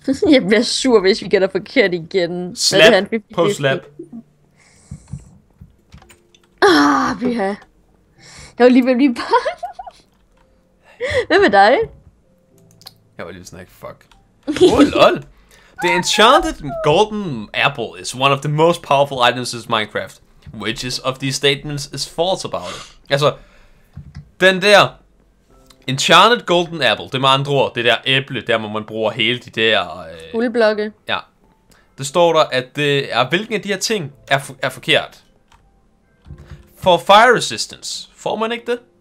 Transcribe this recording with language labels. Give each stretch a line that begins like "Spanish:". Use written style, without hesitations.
Danish: Jeg bliver sur, hvis vi gætter forkert igen. Slap på slap. Biha. Jeg var lige ved at blive bange. Hvad med dig? Jeg var lige sådan, like, fuck. Lol.
English: The enchanted golden apple is one of the most powerful items in Minecraft. Which of these statements is false about it?
Danish: Altså, den der... Enchanted Golden Apple, det er med andre ord, det der æble, der man bruger hele de der... Hulblokke. Ja. Det står der, at det er, hvilken af de her ting er forkert. For fire resistance, får man ikke det?